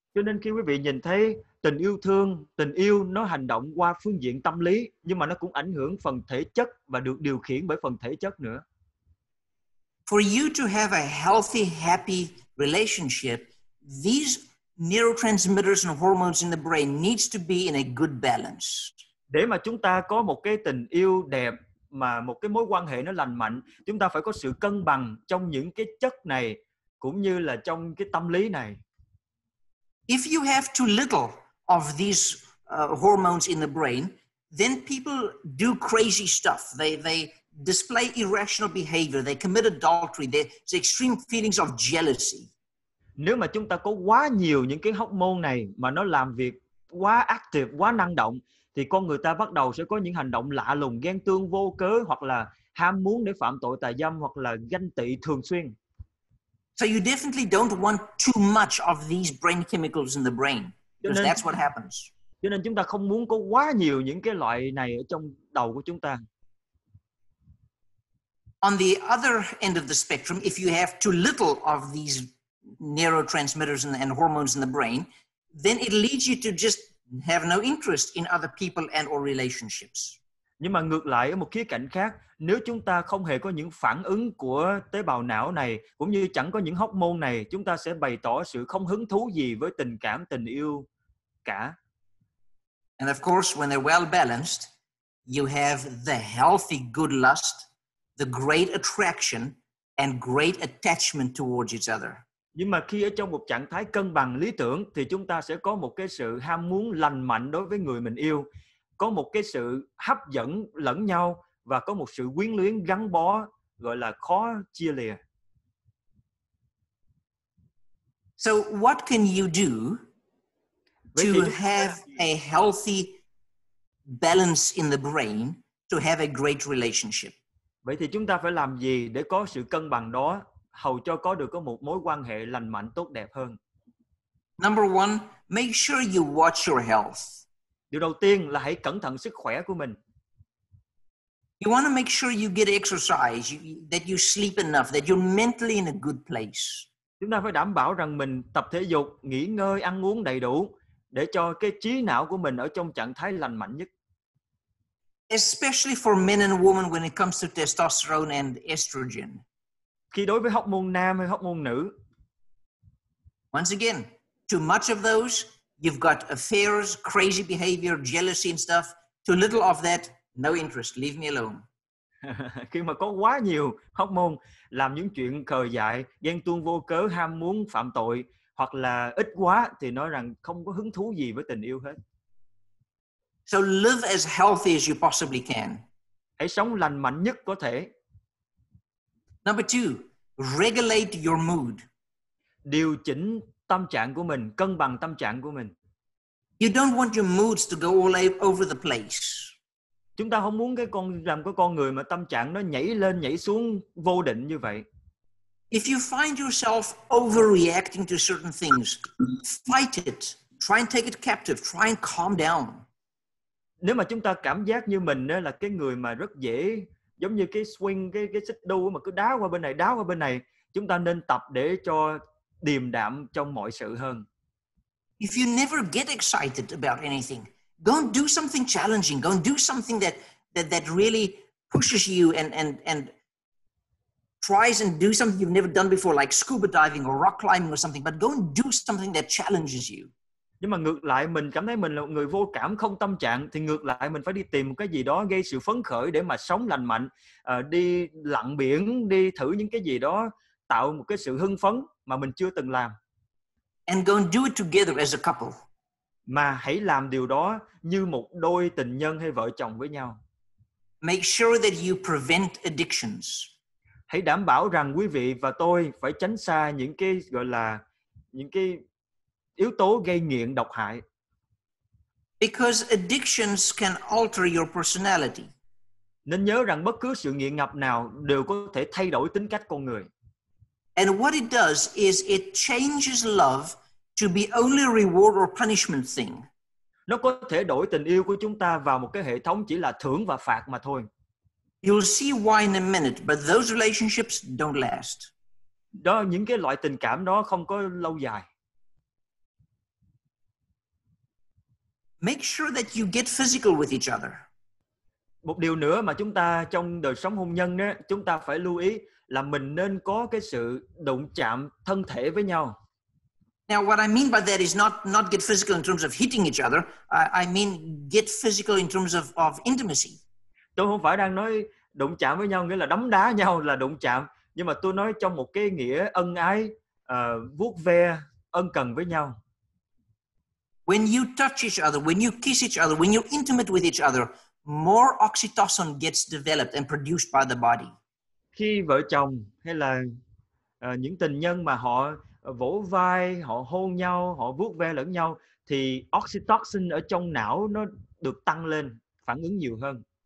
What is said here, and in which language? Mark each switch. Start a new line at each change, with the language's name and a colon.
Vietnamese: Cho nên khi quý vị nhìn thấy tình yêu thương, tình yêu nó hành động qua phương diện tâm lý, nhưng mà nó cũng ảnh hưởng phần thể chất và được điều khiển bởi phần thể chất nữa.
English: For you to have a healthy, happy relationship, these neurotransmitters and hormones in the brain needs to be in a good balance.
Vietnamese: Để mà chúng ta có một cái tình yêu đẹp mà một cái mối quan hệ nó lành mạnh, chúng ta phải có sự cân bằng trong những cái chất này cũng như là trong cái tâm lý này.
English: If you have too little of these hormones in the brain, then people do crazy stuff. They display irrational behavior, they commit adultery, there's extreme feelings of jealousy.
Vietnamese: Nếu mà chúng ta có quá nhiều những cái hormone này mà nó làm việc quá active, quá năng động, thì con người ta bắt đầu sẽ có những hành động lạ lùng, ghen tương vô cớ, hoặc là ham muốn để phạm tội tà dâm, hoặc là ganh tị thường xuyên.
English: So you definitely don't want too much of these brain chemicals in the brain, because that's what happens.
Vietnamese: Cho nên chúng ta không muốn có quá nhiều những cái loại này ở trong đầu của chúng ta.
English: On the other end of the spectrum, if you have too little of these neurotransmitters and hormones in the brain, then it leads you to just have no interest in other people and or relationships.
Vietnamese: Nhưng mà ngược lại, ở một khía cạnh khác, nếu chúng ta không hề có những phản ứng của tế bào não này, cũng như chẳng có những hormone này, chúng ta sẽ bày tỏ sự không hứng thú gì với tình cảm, tình yêu cả.
English: And of course, when they're well balanced, you have the healthy good lust, the great attraction, and great attachment towards each other.
Vietnamese: Nhưng mà khi ở trong một trạng thái cân bằng lý tưởng, thì chúng ta sẽ có một cái sự ham muốn lành mạnh đối với người mình yêu, có một cái sự hấp dẫn lẫn nhau và có một sự quyến luyến gắn bó gọi là khó chia lìa.
English: So what can you do to have a healthy balance in the brain to have a great relationship?
Vietnamese: Vậy thì chúng ta phải làm gì để có sự cân bằng đó hầu cho có được có một mối quan hệ lành mạnh tốt đẹp hơn?
English: Number one, make sure you watch your health.
Vietnamese: Điều đầu tiên là hãy cẩn thận sức khỏe của mình.
English: You want to make sure you get exercise, that you sleep enough, that you're mentally in a good place.
Vietnamese: Chúng ta phải đảm bảo rằng mình tập thể dục, nghỉ ngơi, ăn uống đầy đủ để cho cái trí não của mình ở trong trạng thái lành mạnh nhất.
English: Especially for men and women when it comes to testosterone and estrogen.
Vietnamese: Khi đối với hormone nam hay hormone nữ.
English: Once again, too much of those, you've got affairs, crazy behavior, jealousy and stuff. Too little of that, no interest. Leave me alone.
Vietnamese: Khi mà có quá nhiều hormone làm những chuyện khờ dại, ghen tuông vô cớ, ham muốn phạm tội, hoặc là ít quá thì nói rằng không có hứng thú gì với tình yêu hết.
English: So live as healthy as you possibly can.
Vietnamese: Hãy sống lành mạnh nhất có thể.
English: Number two, regulate your mood.
Vietnamese: Điều chỉnh tâm trạng của mình, cân bằng tâm trạng của mình.
English: You don't want your moods to go all over the place.
Vietnamese: Chúng ta không muốn cái con người mà tâm trạng nó nhảy lên nhảy xuống vô định như vậy.
English: If you find yourself overreacting to certain things, fight it. Try and take it captive. Try and calm down.
Vietnamese: Nếu mà chúng ta cảm giác như mình là cái người mà rất dễ giống như cái swing, cái xích đu mà cứ đá qua bên này, đá qua bên này, chúng ta nên tập để cho điềm đạm trong mọi sự hơn.
English: If you never get excited about anything, go and do something challenging, go and do something that really pushes you and tries and do something you've never done before, like scuba diving or rock climbing or something, but go and do something that challenges you.
Vietnamese: Nhưng mà ngược lại, mình cảm thấy mình là một người vô cảm, không tâm trạng, thì ngược lại mình phải đi tìm một cái gì đó gây sự phấn khởi để mà sống lành mạnh, đi lặn biển, đi thử những cái gì đó tạo một cái sự hưng phấn mà mình chưa từng làm.
English: and go and do it together as a couple.
Vietnamese: Mà hãy làm điều đó như một đôi tình nhân hay vợ chồng với nhau.
English: Make sure that you prevent addictions.
Vietnamese: Hãy đảm bảo rằng quý vị và tôi phải tránh xa những cái gọi là những cái yếu tố gây nghiện độc hại.
English: Because addictions can alter your personality.
Vietnamese: Nên nhớ rằng bất cứ sự nghiện ngập nào đều có thể thay đổi tính cách con người.
English: And what it does is it changes love to be only a reward or punishment thing.
Vietnamese: Nó có thể đổi tình yêu của chúng ta vào một cái hệ thống chỉ là thưởng và phạt mà thôi.
English: You'll see why in a minute, but those relationships don't last.
Vietnamese: Đó, những cái loại tình cảm đó không có lâu dài.
English: Make sure that you get physical with each other.
Vietnamese: Một điều nữa mà chúng ta trong đời sống hôn nhân đó, chúng ta phải lưu ý là mình nên có cái sự đụng chạm thân thể với nhau.
English: Now what I mean by that is not get physical in terms of hitting each other. I mean get physical in terms of intimacy.
Vietnamese: Tôi không phải đang nói đụng chạm với nhau nghĩa là đấm đá nhau là đụng chạm, nhưng mà tôi nói trong một cái nghĩa ân ái, vuốt ve, ân cần với nhau.
English: When you touch each other, when you kiss each other, when you're intimate with each other, more oxytocin gets developed and produced by the body.
Vietnamese: Khi vợ chồng hay là những tình nhân mà họ vỗ vai, họ hôn nhau, họ vuốt ve lẫn nhau, thì oxytocin ở trong não nó được tăng lên, phản ứng nhiều hơn.